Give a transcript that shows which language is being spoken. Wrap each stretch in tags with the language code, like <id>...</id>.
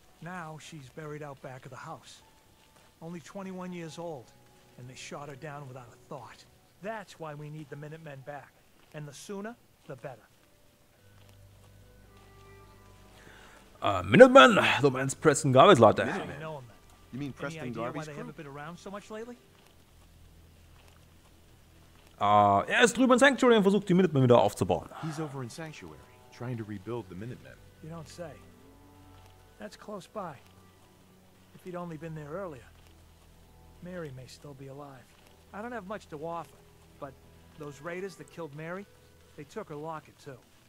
<en>Now she's buried out back of the house. Only 21 years old, and they shot her down without a thought. That's why we need the Minutemen back. And the sooner, the better.</en> <de>Minutemen? Du meinst Preston Garvey's Leute?</de> <en>I don't know them. You mean Preston Garvey's crew? Any idea why they haven't been around so much lately?</en> <de>Er ist drüben in Sanctuary und versucht, die Minutemen wieder aufzubauen.</de> <en>He's over in Sanctuary, trying to rebuild the Minutemen. You don't say. That's close by. If he'd only been there earlier, Mary may still be alive. I don't have much to offer, but those raiders that killed Mary, they took her locket too.</en>